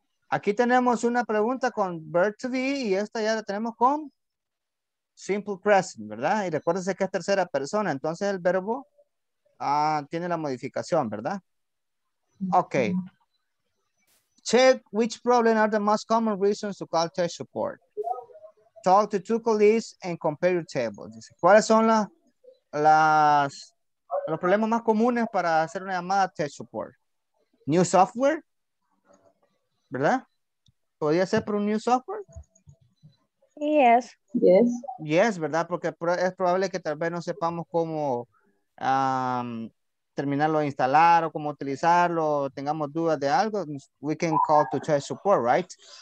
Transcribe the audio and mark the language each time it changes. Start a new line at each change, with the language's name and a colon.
Spanish: Aquí tenemos una pregunta con verb to be y esta ya la tenemos con simple present, ¿verdad? Y recuérdense que es tercera persona, entonces el verbo tiene la modificación, ¿verdad?
English: Okay. Check which problem are the most common reasons to call tech support. Talk to two colleagues and compare your table.
Spanish: Dice, ¿cuáles son los problemas más comunes para hacer una llamada tech support? New software, ¿verdad? ¿Podría ser por un new software?
English: Yes. Yes.
Spanish: Yes, ¿verdad? Porque es probable que tal vez no sepamos cómo terminarlo de instalar o cómo utilizarlo, o tengamos dudas de algo,
English: we can call to tech support, right?